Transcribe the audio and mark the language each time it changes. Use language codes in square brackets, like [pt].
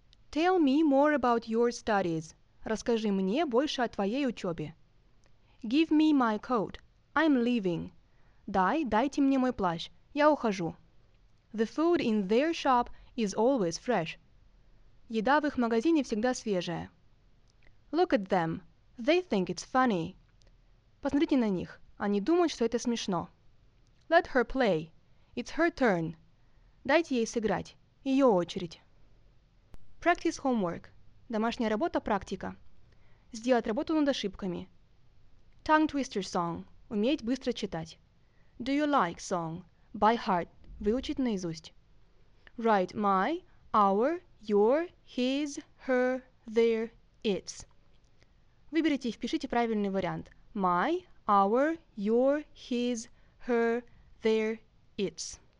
[en] Tell me more about your studies. [ru] Расскажи мне больше о твоей учебе. [en] Give me my coat. I'm leaving. [ru] Дайте мне мой плащ. Я ухожу. [en] The food in their shop is always fresh. [ru] Еда в их магазине всегда свежая. [en] Look at them. They think it's funny. [ru] Посмотрите на них. Они думают, что это смешно. [en] Let her play. It's her turn. [ru] Дайте ей сыграть. Ее очередь. [en] Practice homework. [ru] Домашняя работа, практика. Сделать работу над ошибками. [en] Tongue twister song. [ru] Уметь быстро читать. [en] Do you like song? By heart. [ru] Выучить наизусть. [en] Write my, our, your, his, her, their, its. [ru] Выберите и впишите правильный вариант. [en] My, our, your, his, her, their, its.